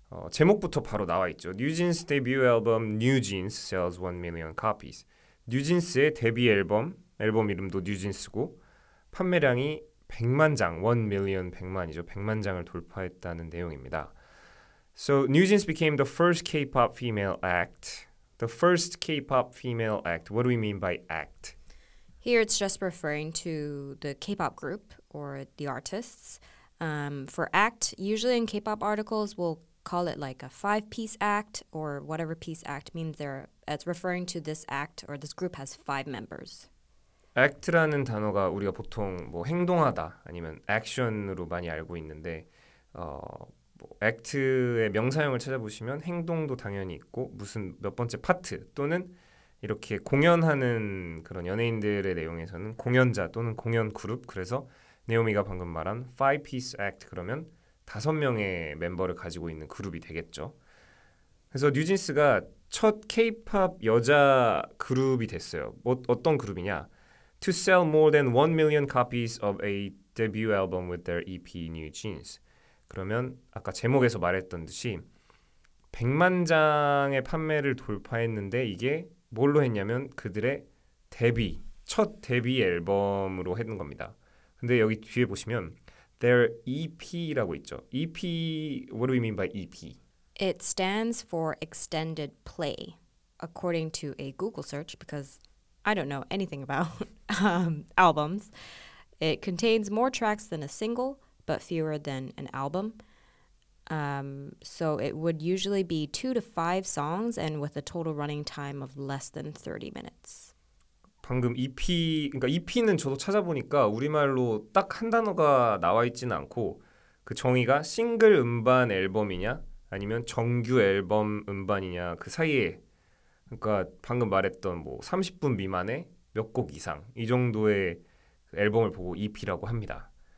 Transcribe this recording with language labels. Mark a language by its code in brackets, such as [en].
[ko] 제목부터 바로 나와 있죠. 뉴진스 데뷔 앨범 뉴진스 [en] sells 1 million copies. [ko] 뉴진스의 데뷔 앨범, 앨범 이름도 뉴진스고 판매량이 100만 장, [en] 1 million [ko] 100만이죠. 100만 장을 돌파했다는 내용입니다. [en] So, NewJeans became the first K-pop female act. The first K-pop female act. What do we mean by act? Here it's just referring to the K-pop group or the artists. For act, usually in K-pop articles, we'll call it like a five-piece act or whatever piece act means they're, it's referring to this act or this group has five members. [ko] Act라는 단어가 우리가 보통 뭐 행동하다 아니면 action으로 많이 알고 있는데 뭐 act의 명사형을 찾아보시면 행동도 당연히 있고 무슨 몇 번째 파트 또는 이렇게 공연하는 그런 연예인들의 내용에서는 공연자 또는 공연 그룹 그래서 Naomi가 방금 말한 [en] five piece act [ko] 그러면 다섯 명의 멤버를 가지고 있는 그룹이 되겠죠. 그래서 뉴진스가 첫 K-pop 여자 그룹이 됐어요. 뭐 어떤 그룹이냐? [en] To sell more than 1 million copies of a debut album with their EP New Jeans. [ko] 그러면 아까 제목에서 말했던 듯이 100만 장의 판매를 돌파했는데 이게 뭘로 했냐면 그들의 데뷔, 첫 데뷔 앨범으로 했던 겁니다. 근데 여기 뒤에 보시면 [en] their EP라고 [ko] 있죠. [en] EP, what do we mean by EP? It stands for extended play, according to a Google search, because I don't know anything about albums. It contains more tracks than a single, but fewer than an album. So it would usually be 2 to 5 songs and with a total running time of less than 30 minutes. [ko] 방금 EP, 그러니까 EP는 저도 찾아보니까 우리말로 딱 한 단어가 나와 있지는 않고 그 정의가 싱글 음반 앨범이냐 아니면 정규 앨범 음반이냐 그 사이에 그러니까 방금 말했던 뭐 30분 미만의 몇 곡 이상 이 정도의 앨범을 보고 EP라고 합니다.